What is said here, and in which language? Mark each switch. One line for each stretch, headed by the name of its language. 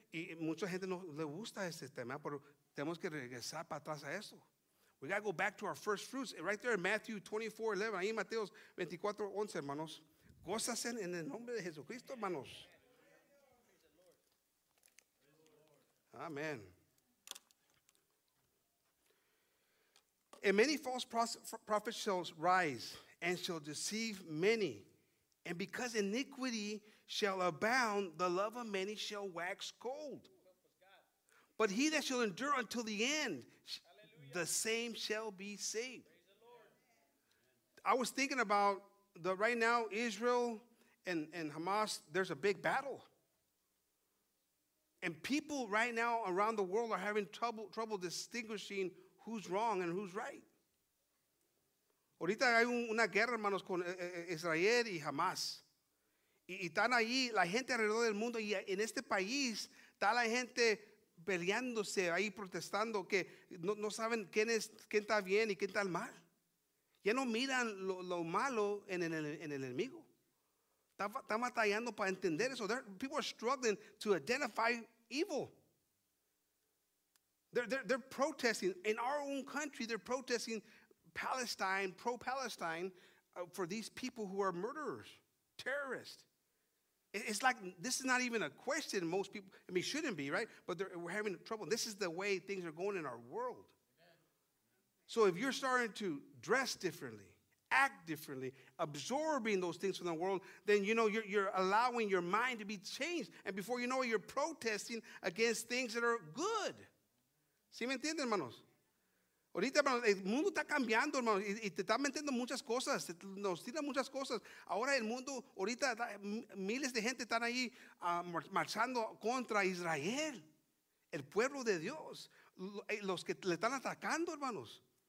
Spanish: Y mucha gente no le gusta este tema, pero tenemos que regresar para atrás a eso.
English: We got to go back to our first fruits. Right there in Matthew 24:11.
Spanish: Ahí en Mateo 24:11, hermanos. Gózase en el nombre de Jesucristo, hermanos. Amén.
English: And many false prophets shall rise and shall deceive many. And because iniquity shall abound, the love of many shall wax cold. But he that shall endure until the end, hallelujah, the same shall be saved. Praise the Lord. I was thinking about the right now, Israel and Hamas, there's a big battle. And people right now around the world are having trouble distinguishing who's wrong and who's right.
Spanish: Ahorita hay una guerra, hermanos, con Israel y Hamas. Y están ahí la gente alrededor del mundo. Y en este país está la gente peleándose, ahí protestando, que no saben quién está bien y quién está mal. Ya no miran lo malo en el enemigo. Están batallando para entender eso.
English: People are struggling to identify evil. They're protesting. In our own country, they're protesting Palestine, pro-Palestine, for these people who are murderers, terrorists. It's like this is not even a question most people, I mean, shouldn't be, right? But we're having trouble. This is the way things are going in our world. Amen. So if you're starting to dress differently, act differently, absorbing those things from the world, then you know you're allowing your mind to be changed. And before you know it, you're protesting against things that are good.
Spanish: ¿Sí me entienden, hermanos? Ahorita, hermanos, el mundo está cambiando, hermanos, y te están metiendo muchas cosas, nos tiran muchas cosas. Ahora el mundo, ahorita, miles de gente están ahí marchando contra Israel, el pueblo de Dios, los que le están atacando, hermanos.